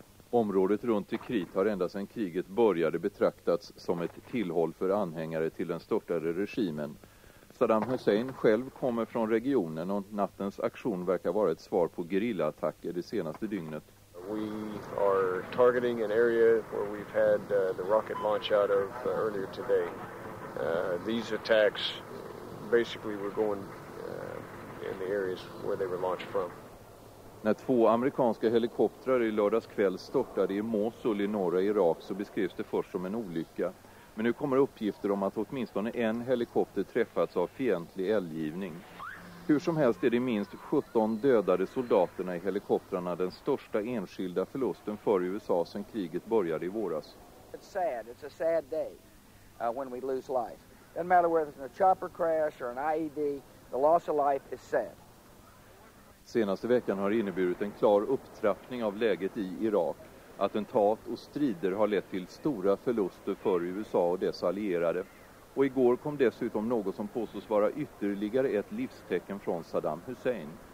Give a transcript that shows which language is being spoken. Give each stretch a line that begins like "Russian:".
Swedish: Området runt Tikrit har ända sedan kriget började betraktats som ett tillhåll för anhängare till den störtade regimen. Saddam Hussein själv kommer från regionen och nattens aktion verkar vara ett svar på gerillaattacker det senaste dygnet.
English: We are targeting an area where we've had the rocket launch out of earlier today. These attacks basically were going in the areas where they were launched from.
Swedish: När 2 amerikanska helikoptrar i lördags kväll störtade i Mosul i norra Irak så beskrivs det först som en olycka. Men nu kommer uppgifter om att åtminstone en helikopter träffats av fientlig eldgivning. Hur som helst är det minst 17 dödade soldaterna i helikoptrarna den största enskilda förlusten för USA sedan kriget började i våras.
English: It's sad. It's a sad day when we lose life. Doesn't matter whether it's a chopper crash or an IED, the loss of life is sad.
Swedish: Senaste veckan har inneburit en klar upptrappning av läget i Irak. Attentat och strider har lett till stora förluster för USA och dess allierade. Och igår kom dessutom något som påstås vara ytterligare ett livstecken från Saddam Hussein.